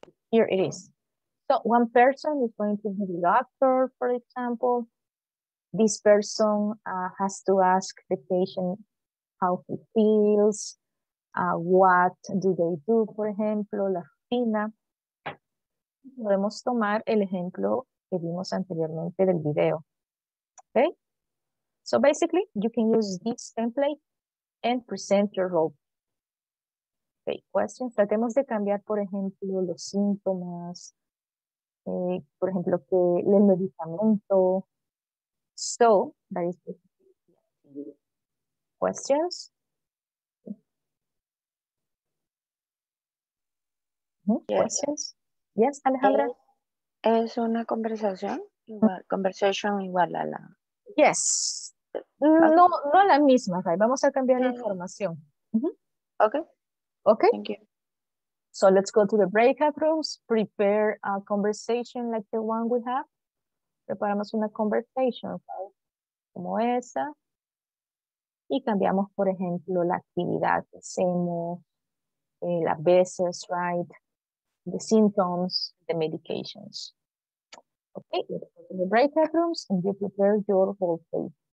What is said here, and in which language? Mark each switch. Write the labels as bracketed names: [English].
[English] Here it is. So one person is going to be the doctor, for example. This person has to ask the patient how he feels, what do they do, for example, [Spanish] la rutina. Podemos tomar el ejemplo que vimos anteriormente del video. [English] Okay? So basically, you can use this template and present your role. Okay, questions. [Spanish] Tratemos de cambiar, por ejemplo, los síntomas. Por ejemplo, que el medicamento. [English] So, that is basically questions. Questions. Yes, Alejandra. [Spanish] Es una conversación. Igual, conversation igual a la. [English] Yes. [Spanish] No, no la misma, Ray. Vamos a cambiar la información. [English] Okay. Okay. Thank you. So let's go to the breakout rooms. Prepare a conversation like the one we have. [Spanish] Preparamos una conversation, [English] okay? [Spanish] Como esa. Y cambiamos, por ejemplo, la actividad que hacemos, las veces, [English] right? The symptoms, the medications. Okay. Let's go to the breakout rooms and you prepare your whole thing.